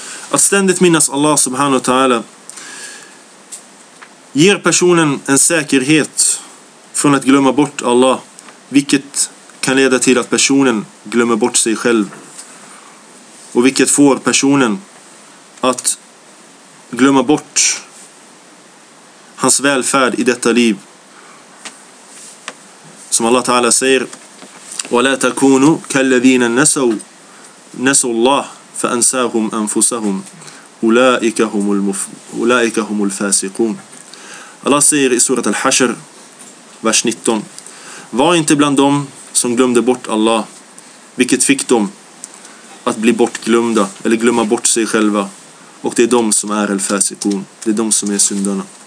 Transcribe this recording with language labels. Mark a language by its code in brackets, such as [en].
[sv] Att ständigt minnas Allah subhanahu wa ta'ala ger personen en säkerhet från att glömma bort Allah, vilket kan leda till att personen glömmer bort sig själv, och vilket får personen att glömma bort hans välfärd i detta liv. Som Allah Ta'ala säger, [ar] وَلَا تَكُونُوا كَالَّذِينَ نَسَوْا اللَّهِ فَأَنْسَاهُمْ أَنْفُسَهُمْ أُولَٰئِكَ هُمُ الْفَاسِقُونَ. [sv] Allah säger i surat Al-Hashr, vers 19, var inte bland dem som glömde bort Allah, vilket fick dem att bli bortglömda, eller glömma bort sig själva. Och det är de som är al-fasiqun, det är de som är syndarna.